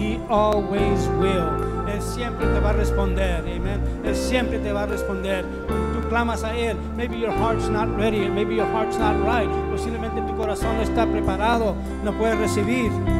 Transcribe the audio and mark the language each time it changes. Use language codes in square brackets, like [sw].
[en] Always will. [es] Él siempre te va a responder. Amen. Él siempre te va a responder. clamas a Él. [en] Maybe your heart's not ready, maybe your heart's not right. [es] Posiblemente tu corazón no está preparado, no puedes recibir.